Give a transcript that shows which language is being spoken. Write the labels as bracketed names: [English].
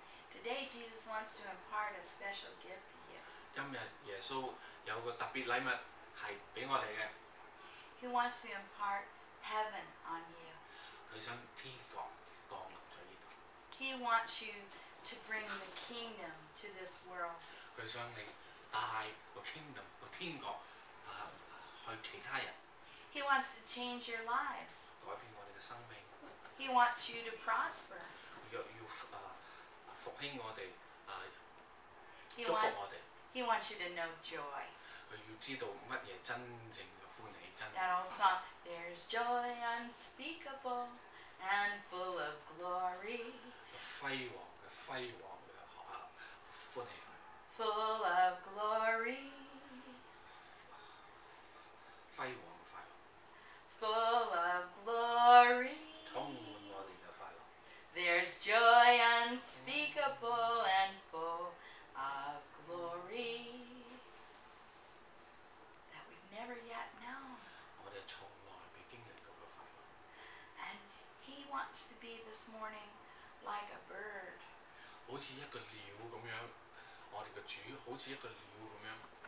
[English] Today, Jesus wants to impart a special gift to you. [Cantonese] 今日耶穌有個特別禮物係俾我哋嘅。 [English] He wants to impart heaven on you. [Cantonese] 佢想天國降臨在呢度。 [English] He wants you to bring the kingdom to this world. [Cantonese] 佢想嚟帶個 kingdom 個天國去其他人。 [English] He wants to change your lives. [Cantonese] 改變我哋嘅生命。 [English] He wants you to prosper. [Cantonese] 要復興我哋祝福我哋。 [English] He wants you to know joy. [Cantonese] 佢要知道乜嘢真正嘅歡喜，真正。 [English] That old song, "There's joy unspeakable and full of glory." [Cantonese] 輝煌嘅輝煌嘅歡喜。 [English] Full of glory. [Cantonese] 輝煌嘅快樂。 [English] Full of glory. [Cantonese] 充滿我哋嘅快樂。 [English] There's joy unspeakable and full of glory that we've never yet known. [Cantonese] 我哋從來未經歷過嘅快樂。 [English] And he wants to be this morning like a bird. [Cantonese] 好似一個鳥咁樣。我哋嘅主好似一個鳥咁樣。